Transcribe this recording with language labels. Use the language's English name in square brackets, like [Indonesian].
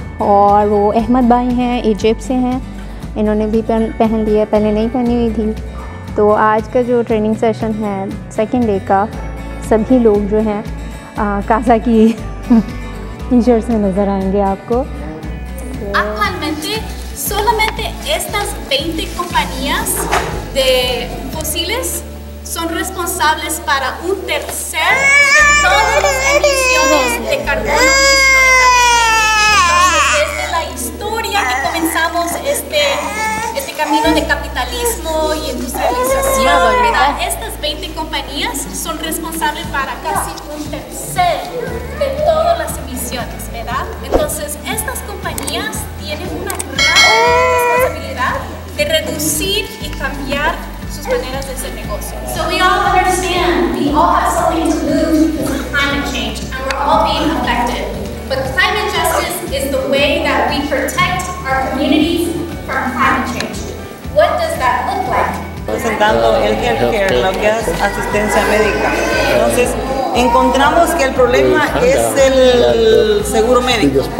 [Hindi] और वो अहमद भाई हैं, इजिप्ट से हैं, इन्होंने भी पहन लिया, पहले नहीं पहनी हुई थी. तो आज का जो ट्रेनिंग सेशन है सेकेंड डे का, सभी लोग जो हैं कासा की टी शर्ट्स में नजर आएंगे आपको. [Spanish] Actualmente solamente estas 20 compañías de fósiles son responsables para un tercer de todas las emisiones de carbono desde la historia que comenzamos este camino de capitalismo y industrialización. Mira, estas 20 compañías son responsables para casi un tercer de todas las emisiones, ¿verdad? Entonces, estas compañías tienen una gran responsabilidad de reducir y cambiar sus maneras de hacer negocio. [English] So we all understand, we all have something to lose because of climate change and we're all being affected. But climate justice is the way that we protect our communities from climate change. What does that look like? [Spanish] Presentando el healthcare, lo que es asistencia médica. Entonces, encontramos que el problema es el seguro médico.